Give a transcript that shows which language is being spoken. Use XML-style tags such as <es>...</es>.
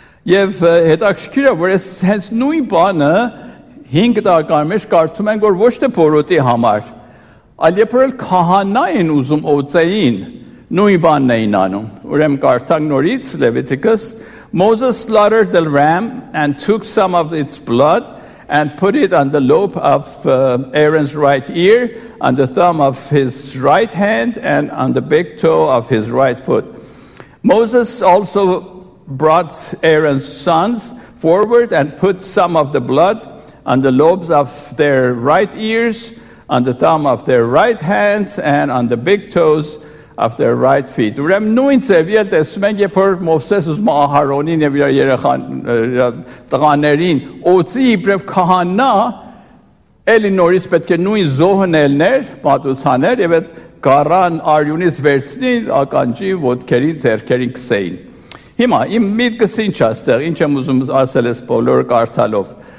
<hy>Եվ հետաքրքիրը, որ ես հենց նույն բանը հինգ տարեկան մեջ կարծում ենք, որ ոչ թե բորոտի համար, այլ երբ որ քահանային ուզում օծեին, նույն բանն էին անում։ Ուրեմն կարդանք նորից Լևիտիկոս,</hy> <en>Moses slaughtered the ram and took some of its blood and put it on the lobe of Aaron's right ear, on the thumb of his right hand and on the big toe of his right foot. Moses also brought Aaron's sons forward and put some of the blood on the lobes of their right ears, on the thumb of their right hands, and on the big toes of their right feet.</en> <hy>Ուրեմն նույն ձևի էլ տեսնում ենք, երբ որ Մովսես ուզում է Ահարոնին և իր տղաներին օծի, իբրև քահանա, էլի նորից պետք է նույն զոհն ելներ, պատուցաներ, և այդ գառան արյունից վերցնի, ականջի, ոտքերի, ձեռքերի կսեին։ Հիմա, իմ միտքս ինչ աստեղ, ինչ եմ ուզում ասել ես բոլորը կարդալով,</hy>